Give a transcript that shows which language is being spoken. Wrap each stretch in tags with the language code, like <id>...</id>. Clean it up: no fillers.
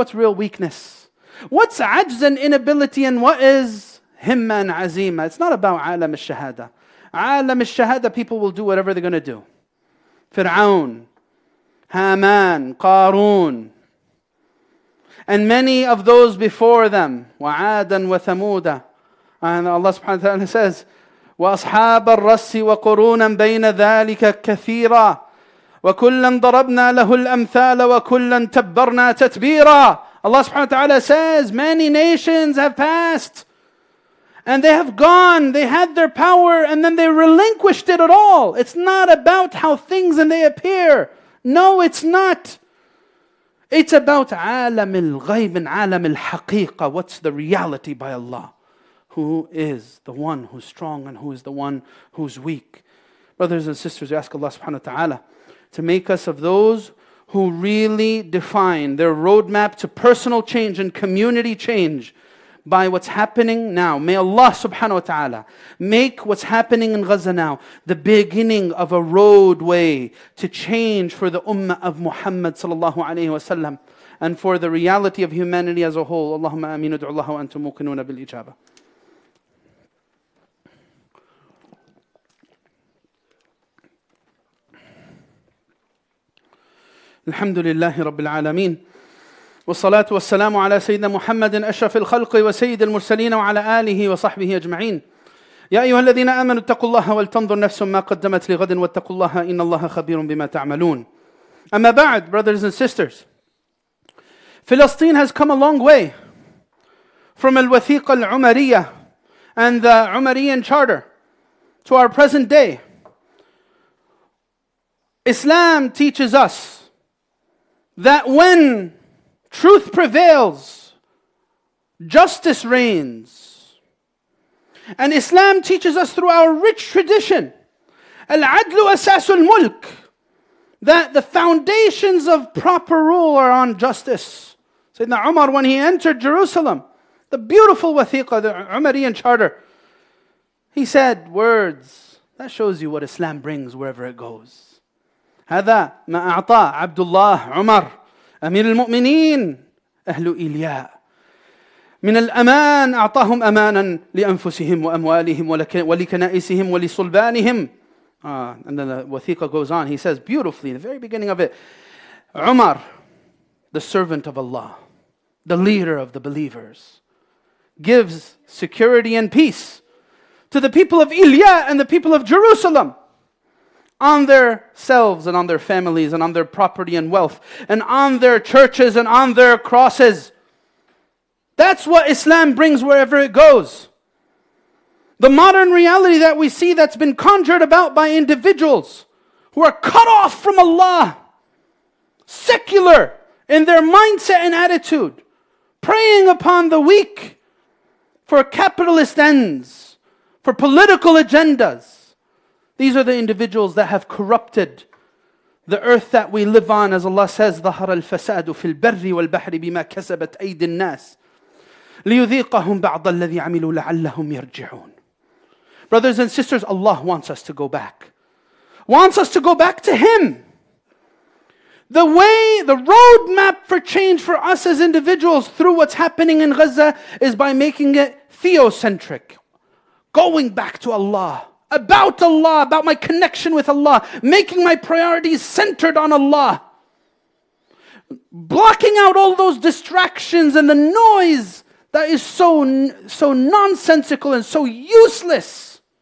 <en>What's real weakness? What's ajz and inability, and what is himma and azima? It's not about alam al-shahada. Alam al-shahada, people will do whatever they're going to do. Fir'aun, Haman, Qarun, and many of those before them,</en> <ar>wa'adan wa thamuda.</ar> <en>And Allah subhanahu wa ta'ala says,</en> <ar>وَأَصْحَابَ الرَّسِّ وَقُرُونًا بَيْنَ ذَٰلِكَ كَثِيرًا وَكُلًّا ضَرَبْنَا لَهُ الْأَمْثَالَ وَكُلًّا تَبَّرْنَا تَتْبِيرًا.</ar> <en>Allah subhanahu wa ta'ala says, many nations have passed and they have gone. They had their power and then they relinquished it at all. It's not about how things and they appear. No, it's not. It's about</en> <ar>عالم الغيب عالم الحقيقة.</ar> <en>What's the reality by Allah? Who is the one who's strong and who is the one who's weak? Brothers and sisters, we ask Allah subhanahu wa ta'ala to make us of those who really define their roadmap to personal change and community change by what's happening now. May Allah subhanahu wa ta'ala make what's happening in Gaza now the beginning of a roadway to change for the ummah of Muhammad sallallahu alayhi wa sallam and for the reality of humanity as a whole.</en> <ar>Allahumma ameen, ud'u Allah wa antum muqinoona bil ijaba. الحمد لله رب العالمين والصلاة والسلام على سيدنا محمد أشرف الخلق وسيد المرسلين وعلى آله وصحبه أجمعين. يا أيها الذين آمنوا اتقوا الله ولتنظر نفس ما قدمت لغد واتقوا الله إن الله خبير بما تعملون. أما بعد,</ar> <en>brothers and sisters, Palestine has come a long way from الوثيقة العمرية and the Umarian Charter to our present day. Islam teaches us that when truth prevails, justice reigns. And Islam teaches us through our rich tradition,</en> <ar>Al-Adlu Asasul Mulk,</ar> <en>that the foundations of proper rule are on justice. Sayyidina Umar, when he entered Jerusalem, the beautiful wathiqa, the Umarian charter, he said words that shows you what Islam brings wherever it goes.</en> <ar>هذا ما أعطى عبد الله عمر أمير المؤمنين أهل إيلياء من الأمان أعطاهم أمانا لأنفسهم وأموالهم ولكنائسهم ولصلبانهم.</ar> <en>And then the وثيقة goes on. He says beautifully in the very beginning of it, عمر, the servant of Allah, the leader of the believers, gives security and peace to the people of إيلياء and the people of Jerusalem on their selves and on their families and on their property and wealth and on their churches and on their crosses. That's what Islam brings wherever it goes. The modern reality that we see that's been conjured about by individuals who are cut off from Allah, secular in their mindset and attitude, preying upon the weak for capitalist ends, for political agendas. These are the individuals that have corrupted the earth that we live on. As Allah says,</en> <ar>ظهر الفساد في البر والبحر بما كسبت أيدي الناس ليذيقهم بعض الذي عملوا لعلهم يرجعون.</ar> <en>Brothers and sisters, Allah wants us to go back. Wants us to go back to Him. The way, the roadmap for change for us as individuals through what's happening in Gaza is by making it theocentric. Going back to Allah. About Allah, about my connection with Allah, making my priorities centered on Allah, blocking out all those distractions and the noise that is so nonsensical and so useless.</en>